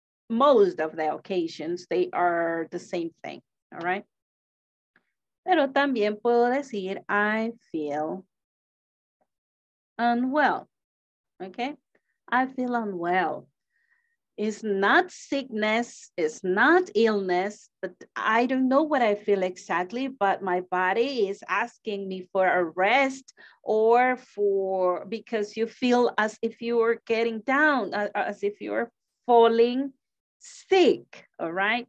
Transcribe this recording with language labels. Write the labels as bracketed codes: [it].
[en] Most of the occasions, they are the same thing, all right? [es] Pero también puedo decir, [en] I feel unwell, okay? I feel unwell. It's not sickness, it's not illness, but I don't know what I feel exactly, but my body is asking me for a rest or for, because you feel as if you are getting down, as if you are falling sick, all right?